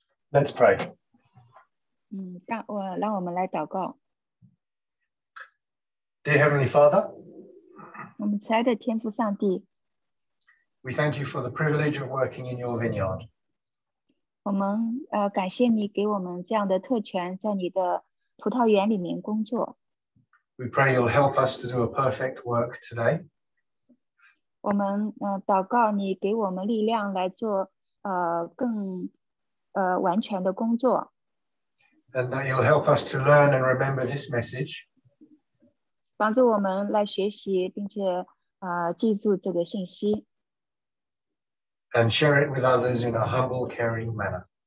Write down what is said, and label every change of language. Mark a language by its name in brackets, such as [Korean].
[Chinese] 我们开始之前，我们先做个祷告，然后我们再来看这个整本圣经当中这个三个步骤的这个模型。 [English] Let's pray. [Chinese] 让我们来祷告。 [English] Dear Heavenly Father, [Chinese] 我们慈爱的天父上帝。 [English] We thank you for the privilege of working in your vineyard. [Chinese] 我们感谢你给我们这样的特权，在你的葡萄园里面工作。 [English] We pray you'll help us to do a perfect work today. [Chinese] 我们祷告你给我们力量来做更完全的工作。 [English] And that you'll help us to learn and remember this message. [Chinese] 帮助我们来学习，并且记住这个信息。 [English] And share it with others in a humble, caring manner.